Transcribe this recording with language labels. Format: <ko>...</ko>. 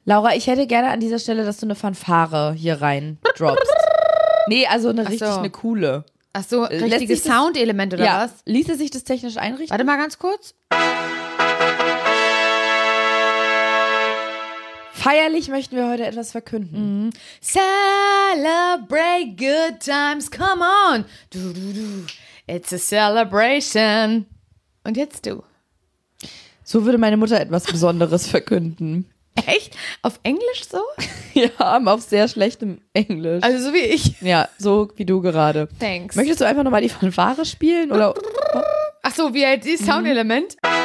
<de>Laura, ich hätte gerne an dieser Stelle, dass du eine Fanfare hier rein droppst. Eine coole. Ach so, richtiges Soundelement oder was? Ließe sich das technisch einrichten? Warte mal ganz kurz. Feierlich möchten wir heute etwas verkünden.</de> <en>Celebrate good times, come on. It's a celebration.</en> <de>Und jetzt du. So würde meine Mutter etwas Besonderes verkünden. Echt? Auf Englisch so? Ja, auf sehr schlechtem Englisch. Also so wie ich. Ja, so wie du gerade.</de> <en>Thanks.</en> <de>Möchtest du einfach nochmal die Fanfare spielen? Oder? Ach so, wie halt die Soundelement.</de>